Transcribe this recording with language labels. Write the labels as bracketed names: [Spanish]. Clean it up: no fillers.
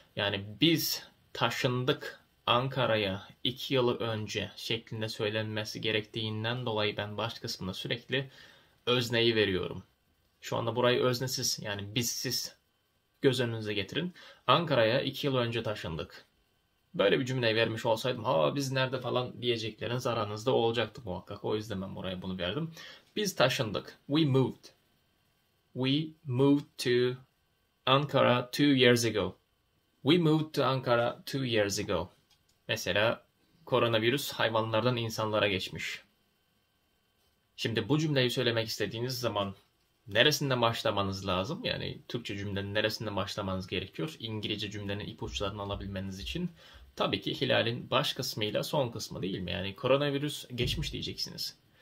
[Turkish] Yani biz taşındık Ankara'ya 2 yıl önce şeklinde söylenmesi gerektiğinden dolayı ben baş kısmına sürekli özneyi veriyorum. Şu anda burayı öznesiz, yani bizsiz göz önünüze getirin. Ankara'ya 2 yıl önce taşındık. Böyle bir cümle vermiş olsaydım, ha biz nerede falan diyecekleriniz aranızda olacaktı muhakkak. O yüzden ben buraya bunu verdim. Biz taşındık. [English] We moved. We moved to Ankara 2 years ago. We moved to Ankara 2 years ago. [Turkish] Mesela koronavirüs hayvanlardan insanlara geçmiş. Şimdi bu cümleyi söylemek istediğiniz zaman neresinden başlamanız lazım? Yani Türkçe cümlenin neresinden başlamanız gerekiyor? İngilizce cümlenin ipuçlarını alabilmeniz için. Tabii ki hilalin baş kısmıyla son kısmı değil mi? Yani koronavirüs geçmiş diyeceksiniz.